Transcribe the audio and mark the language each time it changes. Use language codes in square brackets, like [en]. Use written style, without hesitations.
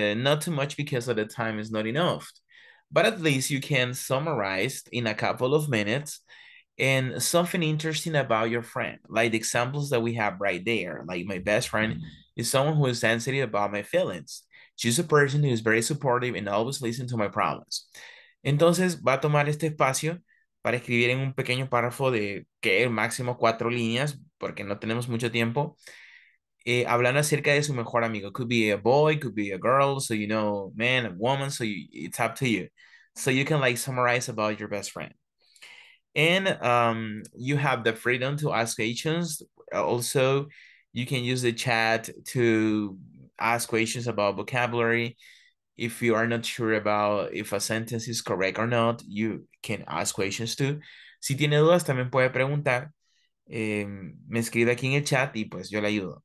[en] Not too much because of the time is not enough. But at least you can summarize in a couple of minutes and something interesting about your friend, like the examples that we have right there. Like, my best friend is someone who is sensitive about my feelings. She's a person who is very supportive and always listens to my problems. [es] Entonces, va a tomar este espacio para escribir en un pequeño párrafo de que el máximo 4 líneas, porque no tenemos mucho tiempo, hablando acerca de su mejor amigo. [en] Could be a boy, could be a girl, so you know, man, a woman, so it's up to you. So you can like summarize about your best friend. And you have the freedom to ask questions. Also, you can use the chat to ask questions about vocabulary. If you are not sure about if a sentence is correct or not, you can ask questions too. [es] Si tiene dudas, también puede preguntar. Me escribe aquí en el chat y pues yo le ayudo.